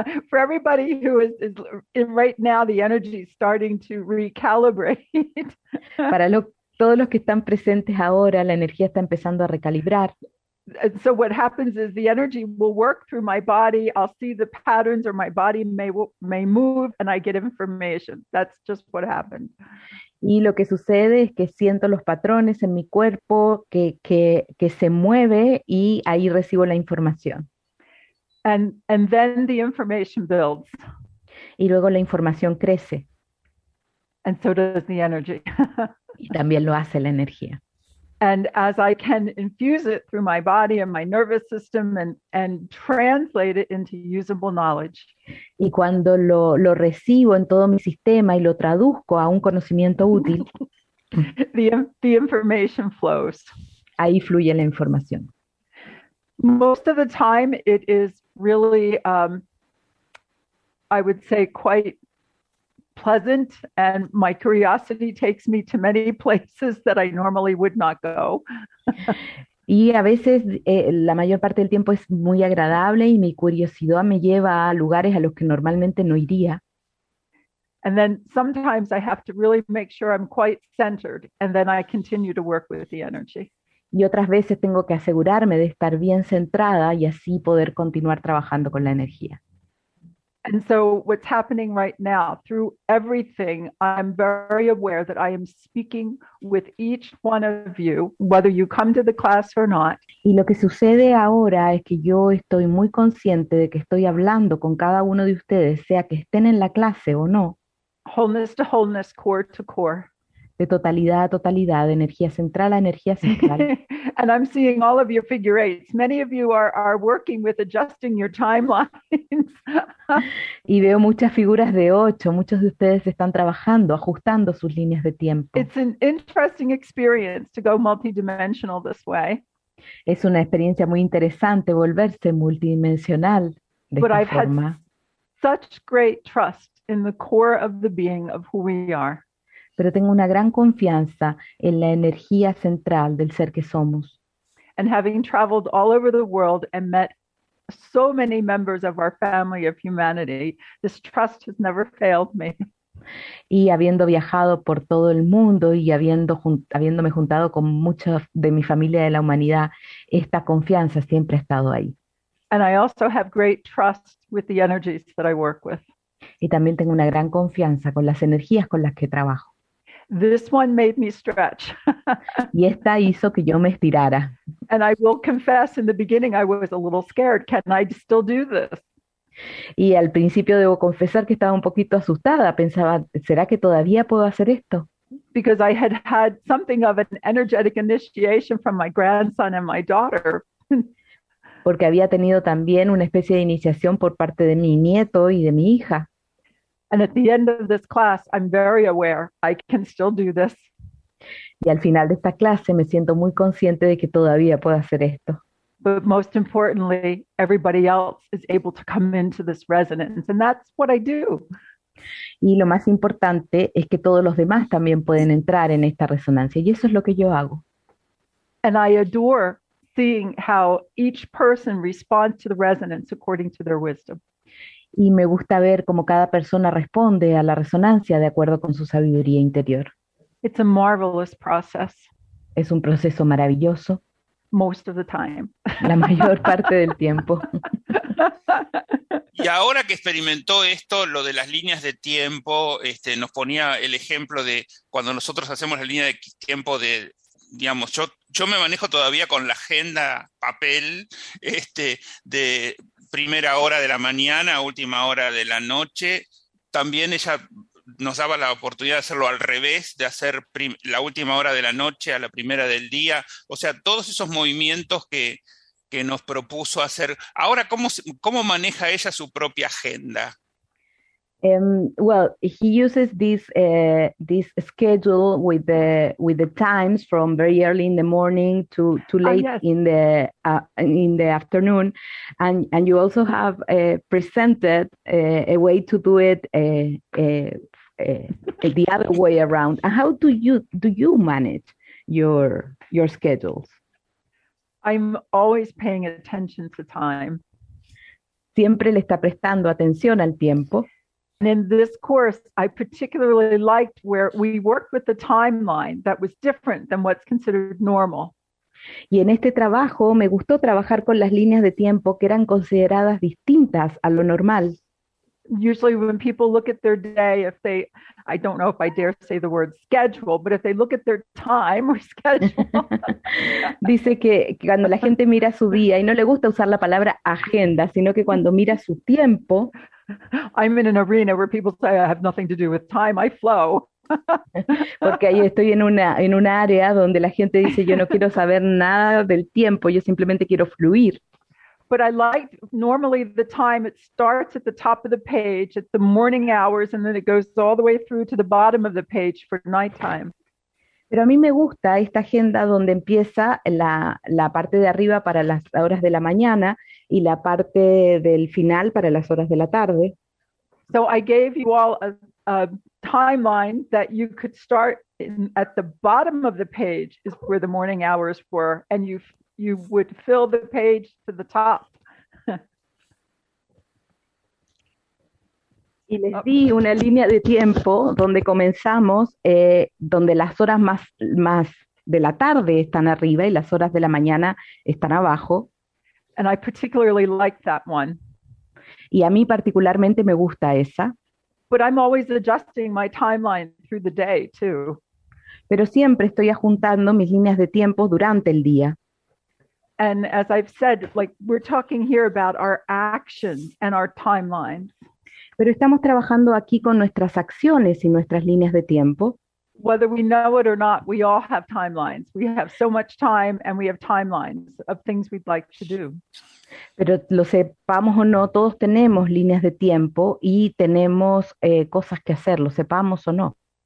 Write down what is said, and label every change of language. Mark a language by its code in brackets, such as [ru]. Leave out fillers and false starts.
[en] For everybody who is in right now, the energy is starting to recalibrate. [es] Todos los que están presentes ahora, la energía está empezando a recalibrar. [en] And so what happens is the energy will work through my body. I'll see the patterns or my body may move and I get information. That's just what happened. [es] Y lo que sucede es que siento los patrones en mi cuerpo que se mueve y ahí recibo la información. [en] And then the information builds. [es] Y luego la información crece. [en] And so does the energy. [es] Y también lo hace la energía. [en] And as I can infuse it through my body and my nervous system and translate it into usable knowledge. [es] Y cuando lo recibo en todo mi sistema y lo traduzco a un conocimiento útil, [en] the information flows. [es] Ahí fluye la información. [en] Most of the time it is really, I would say, quite pleasant, and my curiosity takes me to many places that I normally would not go. [es] Y a veces la mayor parte del tiempo es muy agradable y mi curiosidad me lleva a lugares a los que normalmente no iría. [en] And then sometimes I have to really make sure I'm quite centered, and then I continue to work with the energy. [es] Y otras veces tengo que asegurarme de estar bien centrada y así poder continuar trabajando con la energía. [en] And so what's happening right now, through everything, I'm very aware that I am speaking with each one of you, whether you come to the class or not. [es] Y lo que sucede ahora es que yo estoy muy consciente de que estoy hablando con cada uno de ustedes, sea que estén en la clase o no. [en] Wholeness to wholeness, core to core. [es] De totalidad a totalidad, de energía central a energía central. [en] And I'm seeing all of your figure eights. Many of you are working with adjusting your timelines. [es] Y veo muchas figuras de ocho. Muchos de ustedes están trabajando, ajustando sus líneas de tiempo. [en] It's an interesting experience to go multidimensional this way. [es] Es una experiencia muy interesante volverse multidimensional de [en] But [es] esta [en] I've [es] forma. [en] Had such great trust in the core of the being of who we are. [es] Pero tengo una gran confianza en la energía central del ser que somos. [en] And having traveled all over the world and met so many members of our family of humanity, this trust has never failed me. [es] Y habiendo viajado por todo el mundo y habiéndome juntado con mucha de mi familia de la humanidad, esta confianza siempre ha estado ahí. [en] And I also have great trust with the energies that I work with. [es] Y también tengo una gran confianza con las energías con las que trabajo. [en] This one made me stretch. [es] Y esta hizo que yo me estirara. [en] And I will confess, in the beginning, I was a little scared. Can I still do this? [es] Y al principio debo confesar que estaba un poquito asustada. Pensaba, ¿será que todavía puedo hacer esto? [en] Because I had had something of an energetic initiation from my grandson and my daughter. [es] Porque había tenido también una especie de iniciación por parte de mi nieto y de mi hija. [en] And at the end of this class, I'm very aware I can still do this. [es] Y al final de esta clase me siento muy consciente de que todavía puedo hacer esto. [en] But most importantly, everybody else is able to come into this resonance, and that's what I do. [es] Y lo más importante es que todos los demás también pueden entrar en esta resonancia, y eso es lo que yo hago. [en] And I adore seeing how each person responds to the resonance according to their wisdom. [es] Y me gusta ver cómo cada persona responde a la resonancia de acuerdo con su sabiduría interior. [en] It's a marvelous process. [es] Es un proceso maravilloso. [en] Most of the time. [es] La mayor parte del tiempo. Y ahora que experimentó esto, lo de las líneas de tiempo, nos ponía el ejemplo de cuando nosotros hacemos la línea de tiempo de, digamos, yo me manejo todavía con la agenda papel, de primera hora de la mañana, última hora de la noche. También ella nos daba la oportunidad de hacerlo al revés, de hacer la última hora de la noche a la primera del día. O sea, todos esos movimientos que nos propuso hacer. Ahora, ¿cómo maneja ella su propia agenda? [en] Well, he uses this schedule with the times from very early in the morning to late in the afternoon, and you also have presented a way to do it the other way around. And how do you manage your schedules? I'm always paying attention to time. [es] Siempre le está prestando atención al tiempo. [en] And in this course, I particularly liked where we worked with the timeline that was different than what's considered normal. [es] Y en este trabajo me gustó trabajar con las líneas de tiempo que eran consideradas distintas a lo normal. [en] Usually when people look at their day, if they, I don't know if I dare say the word schedule, but if they look at their time or schedule. [es] Dice que cuando la gente mira su día, y no le gusta usar la palabra agenda, sino que cuando mira su tiempo. [en] I'm in an arena where people say I have nothing to do with time, I flow. [es] Porque ahí estoy en un área donde la gente dice yo no quiero saber nada del tiempo, yo simplemente quiero fluir. [en] But I like normally the time, it starts at the top of the page, at the morning hours, and then it goes all the way through to the bottom of the page for nighttime. [es] Pero a mí me gusta esta agenda donde empieza la parte de arriba para las horas de la mañana y la parte del final para las horas de la tarde. [en] So I gave you all a timeline that you could start at the bottom of the page is where the morning hours were, and you would fill the page to the top. [es] Y les di una línea de tiempo donde comenzamos, donde las horas más de la tarde están arriba y las horas de la mañana están abajo. [en] And I particularly liked that one. [es] Y a mí particularmente me gusta esa. [en] But I'm always adjusting my timeline through the day too. [es] Pero siempre estoy ajuntando mis líneas de tiempo durante el día. [en] And as I've said, like we're talking here about our actions and our timelines. [es] Pero estamos trabajando aquí con nuestras acciones y nuestras líneas de tiempo. [en] Whether we know it or not, we all have timelines. We have so much time and we have timelines of things we'd like to do. [es] Pero lo sepamos o no, todos tenemos líneas de tiempo y tenemos cosas que hacer, lo sepamos o no.